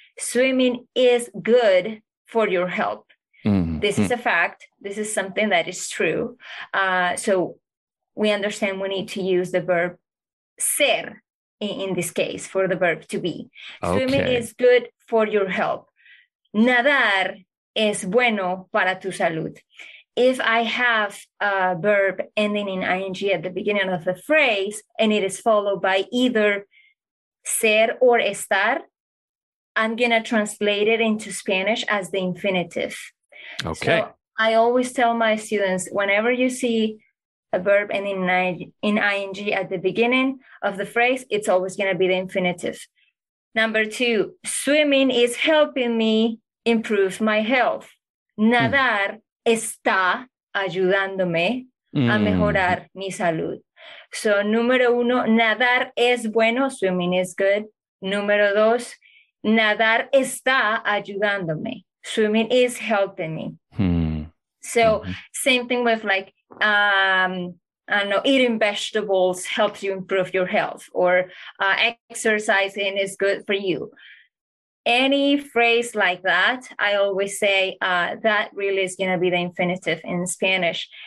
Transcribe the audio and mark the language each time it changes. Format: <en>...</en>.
<en>Swimming is good for your health. This is a fact. This is something that is true. So we understand we need to use the verb ser in this case for the verb to be. Okay. Swimming is good for your health.</en> <es>Nadar es bueno para tu salud.</es> <en>If I have a verb ending in ing at the beginning of the phrase and it is followed by either ser or estar, I'm going to translate it into Spanish as the infinitive. Okay. So I always tell my students, whenever you see a verb ending in ing at the beginning of the phrase, it's always going to be the infinitive. Number two, swimming is helping me improve my health.</en> <es>Nadar está ayudándome a mejorar mi salud. So número uno, nadar es bueno,</es> <en>swimming is good.</en> <es>Número dos, nadar está ayudándome.</es> <en>Swimming is helping me. So same thing with like, I don't know, eating vegetables helps you improve your health, or exercising is good for you. Any phrase like that, I always say that really is going to be the infinitive in Spanish.</en>